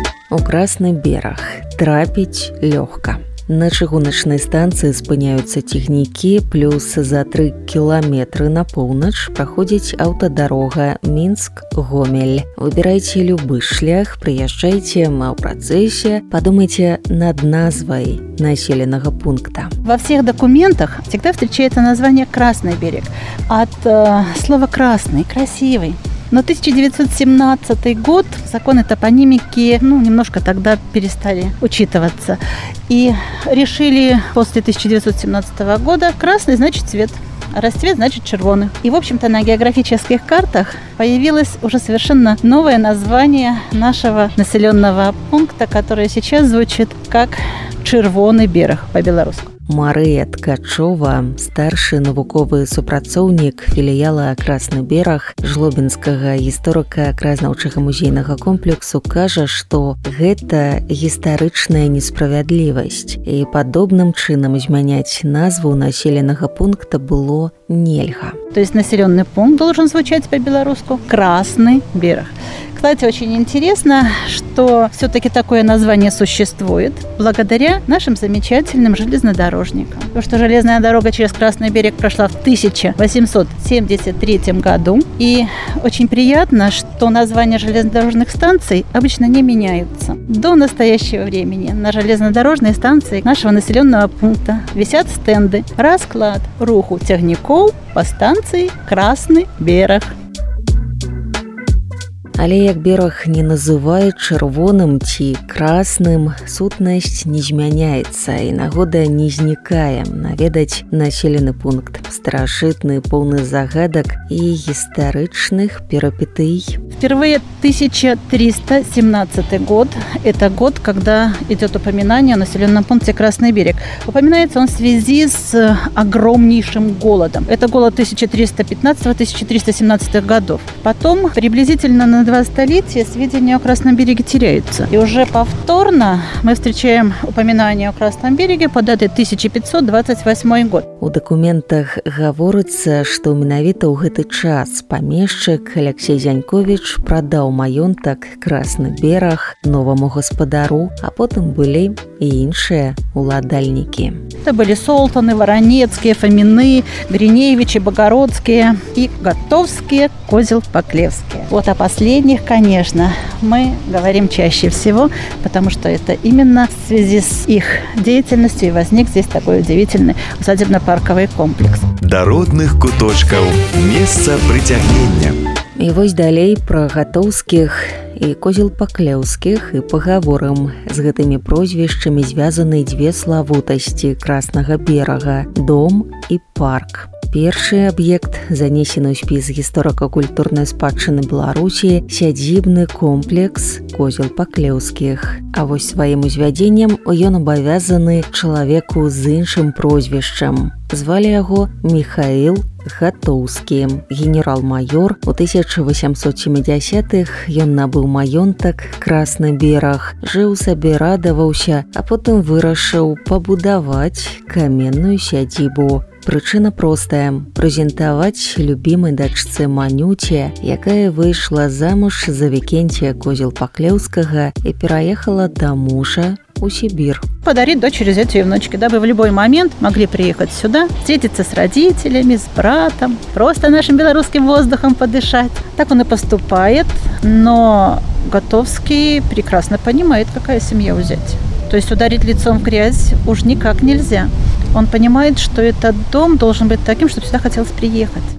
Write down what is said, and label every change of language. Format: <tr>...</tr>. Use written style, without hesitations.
<be>У Красны бераг трапіць лёгка. На чыгуначнай станцыі спыняюцца цягнікі, плюс за 3 кіламетры на поўнач праходзіць аўтадарога Мінск-Гомель. Выбірайце любы шлях, прыязджайце, а ў працэсе падумайце над назвай населенага пункта.</be> <ru>Во всех документах всегда встречается название Красный берег. От слова красный, красивый. Но 1917 год, законы топонимики, немножко тогда перестали учитываться. И решили после 1917 года красный значит цвет, а расцвет значит червоный. И, в общем-то, на географических картах появилось уже совершенно новое название нашего населенного пункта, которое сейчас звучит как Червоный берег по-белорусски.</ru> <be>Марыя Ткачова, старшы навуковы супрацоўнік філіяла «Красны бераг» Жлобінскага гісторыка-краязнаўчага музейнага комплексу, кажа, што гэта гістарычная несправядлівасць, і падобным чынам змяняць назву населенага пункта было нельга.</be> <ru>То есть населённый пункт должен звучаць по-беларуску «Красны бераг». Кстати, очень интересно, что все-таки такое название существует благодаря нашим замечательным железнодорожникам. Потому что железная дорога через Красный берег прошла в 1873 году. И очень приятно, что названия железнодорожных станций обычно не меняются. До настоящего времени на железнодорожной станции нашего населенного пункта висят стенды «Расклад руху тягников по станции Красный берег».</ru> <be>Але як бераг не называе чырвоным ці красным, сутнасць не змяняецца і нагода не знікае наведаць населены пункт. Старажытны, поўны загадак і гістарычных перыпетый.</be> <ru>Впервые 1317 год – это год, когда идет упоминание о населенном пункте Красный берег. Упоминается он в связи с огромнейшим голодом. Это голод 1315-1317 годов. Потом, приблизительно на 2 столетия, сведения о Красном береге теряются. И уже повторно мы встречаем упоминание о Красном береге по дате 1528 год.</ru> <be>У документах</be> <ru>говорится, что</ru> <be>менавіта у гэты час помещик Алексей Зянькович прадаў маёнтак «Красны бераг» новому гаспадару, а потым былі і іншыя уладальнікі. Это былі Солтаны, Варанецкія, Фаміны, Гриневічы, Багародскія і Гатовскія, Козел-Паклевскія.</be> <ru>Вот о последніх, конечно, мы говорим чаще всего, потому что это именно в связи с их деятельностью возник здесь такой удивительный усадебно-парковый комплекс.</ru> <be>Да родных куточкаў месца прыцягнення. І вось далей пра гатоўскіх і козел-паклеўскіх і пагаворым. З гэтымі прозвішчамі звязаны дзве славутасці Краснага берага – дом і парк. Першы аб'ект занесены ў спіс гісторыка-культурнай спадчыны Беларусі – сядзібны комплекс козел-паклеўскіх. А вось сваім узвядзеннем ён абавязаны чалавеку з іншым прозвішчам. Звалі яго Міхаіл Гатоўскі, генерал-майор. У 1870-х ён набыў маёнтак «Красны бераг», жыў сабе, радаваўся, а потым вырашыў пабудаваць каменную сядзібу. Прычына простая – прэзентаваць любімай дачцы Манюце, якая выйшла замуж за Вікентія Козел-Паклеўскага і пераехала да мужа у Сибір.</be> <ru>Подарить дочери зятю и внучке, дабы в любой момент могли приехать сюда, встретиться с родителями, с братом, просто нашим белорусским воздухом подышать. Так он и поступает, но Гатоўскі прекрасно понимает, какая семья у зятя. То есть ударить лицом в грязь уж никак нельзя. Он понимает, что этот дом должен быть таким, чтобы сюда хотелось приехать.</ru>